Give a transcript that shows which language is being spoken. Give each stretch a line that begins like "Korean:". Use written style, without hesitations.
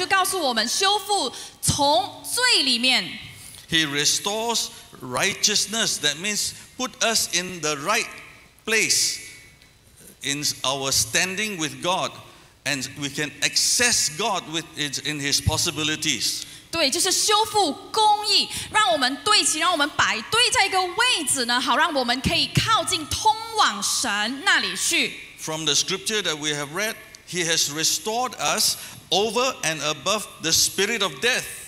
Chinese: 所以刚才我们读的这个经文就告诉我们修复从罪里面。
English: He restores righteousness, that means put us in the right place in our standing with God, and we can access God in His possibilities.
Chinese: 对，就是修复公义，让我们对齐，让我们摆对在一个位置呢，好让我们可以靠近通往神那里去。
English: From the scripture that we have read, He has restored us over and above the spirit of death.